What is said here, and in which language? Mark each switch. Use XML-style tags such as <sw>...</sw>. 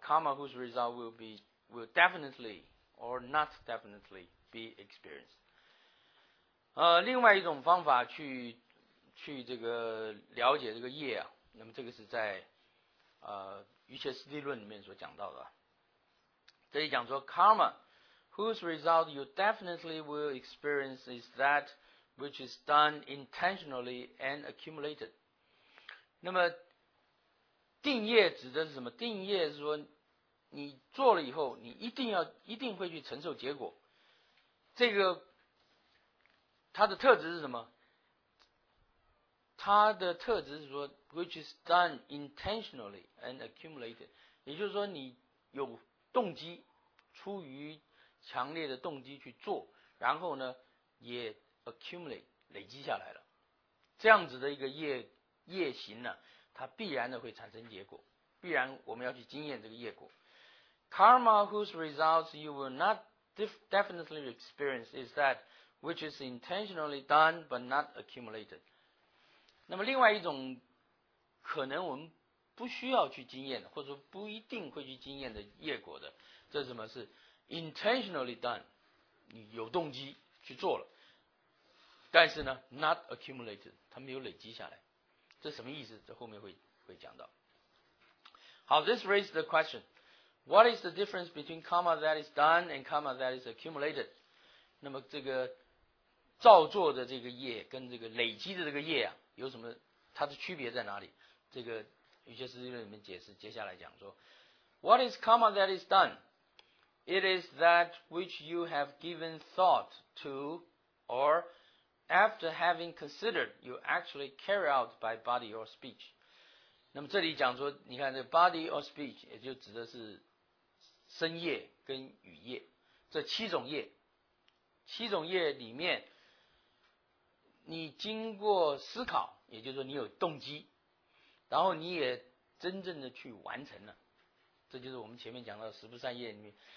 <en>，karma whose result will definitely or not definitely be experienced。</en> <zh>另外一种方法去这个了解这个业啊，那么这个是在瑜伽师地论里面所讲到的，这里讲说 karma。</zh> <en>Whose result you definitely will experience is that which is done intentionally and accumulated.</en> <zh>那么定业指的是什么？定业是说你做了以后，你一定会去承受结果。这个它的特质是什么？它的特质是说</zh> <en>which is done intentionally and accumulated.</en> <zh>也就是说你有动机，出于强烈的动机去做，然后呢也</zh> <en>accumulate</en> <zh>累积下来了，这样子的一个业行呢，它必然的会产生结果，必然我们要去经验这个业果。</zh> <en>Karma whose results you will not definitely experience is that which is intentionally done but not accumulated.</en> <zh>那么另外一种可能我们不需要去经验的，或者说不一定会去经验的业果的，这是什么？是</zh> <en>intentionally done，</en> <zh>你有动机去做了，但是呢</zh> <en>not accumulated，</en> <zh>它没有累积下来，这什么意思？这后面会讲到。好，</zh> <en>this raises the question， what is the difference between karma that is done and karma that is accumulated？</en> <zh>那么这个造作的这个业跟这个累积的这个业啊，有什么它的区别在哪里？这个瑜伽师地论里面解释，接下来讲说</zh> <en>what is karma that is done？ It is that which you have given thought to, or after having considered, you actually carry out by body or speech.</en> <zh>那么这里讲说，你看这</zh> <en>body or speech</en> <zh>也就指的是身业跟语业这七种业里面，你经过思考，也就是说你有动机，然后你也真正的去完成了，这就是我们前面讲到十不善业里面。</zh>